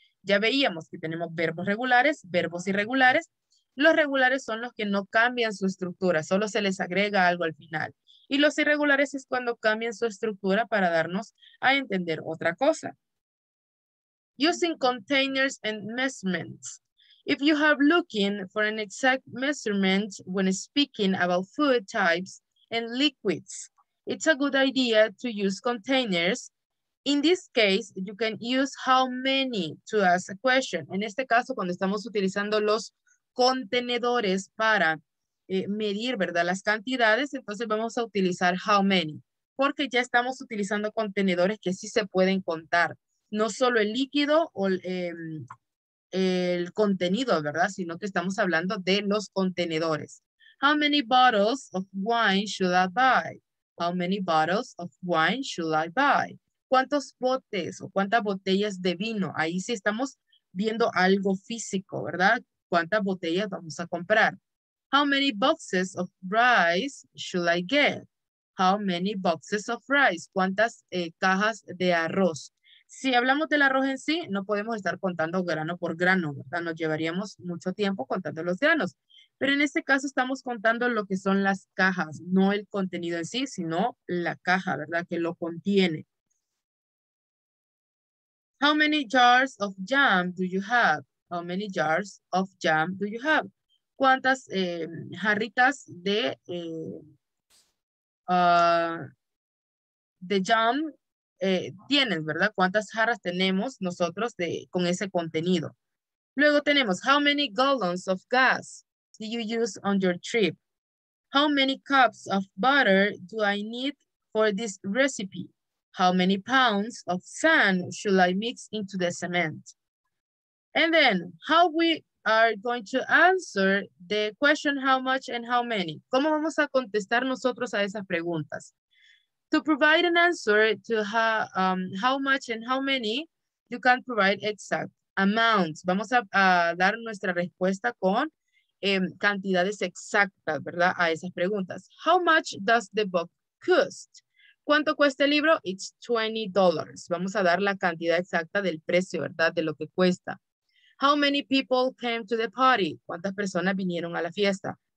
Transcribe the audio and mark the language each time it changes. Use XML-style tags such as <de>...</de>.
<es>Ya veíamos que tenemos verbos regulares, verbos irregulares. Los regulares son los que no cambian su estructura, solo se les agrega algo al final. Y los irregulares es cuando cambian su estructura para darnos a entender otra cosa.</es> <en>Using containers and measurements. If you have looking for an exact measurement when speaking about food types and liquids, it's a good idea to use containers. In this case, you can use how many to ask a question.</en> <es>En este caso, cuando estamos utilizando los contenedores para medir, ¿verdad?, las cantidades, entonces vamos a utilizar how many, porque ya estamos utilizando contenedores que sí se pueden contar. No solo el líquido o el contenido, ¿verdad?, sino que estamos hablando de los contenedores.</es> <en>How many bottles of wine should I buy? How many bottles of wine should I buy?</en> <es>¿Cuántos botes o cuántas botellas de vino? Ahí sí estamos viendo algo físico, ¿verdad? ¿Cuántas botellas vamos a comprar?</es> <en>How many boxes of rice should I get? How many boxes of rice?</en> <es>¿Cuántas cajas de arroz? Si hablamos del arroz en sí, no podemos estar contando grano por grano, ¿verdad? Nos llevaríamos mucho tiempo contando los granos. Pero en este caso estamos contando lo que son las cajas, no el contenido en sí, sino la caja, ¿verdad?, que lo contiene.</es> <en>How many jars of jam do you have? How many jars of jam do you have?</en> <es>¿Cuántas jarritas de jam tienes, verdad? ¿Cuántas jarras tenemos nosotros de, con ese contenido? Luego tenemos,</es> <en>how many gallons of gas do you use on your trip? How many cups of butter do I need for this recipe? How many pounds of sand should I mix into the cement? And then, how we are going to answer the question how much and how many.</en> <es>¿Cómo vamos a contestar nosotros a esas preguntas?</es> <en>To provide an answer to how much and how many, you can provide exact amounts.</en> <es>Vamos a dar nuestra respuesta con cantidades exactas, ¿verdad?, a esas preguntas.</es> <en>How much does the book cost?</en> <es>¿Cuánto cuesta el libro?</es> <en>It's $20.</en> <es>Vamos a dar la cantidad exacta del precio, ¿verdad?, de lo que cuesta.</es> <en>How many people came to the party?</en> <es>¿Cuántas personas vinieron a la fiesta?</es>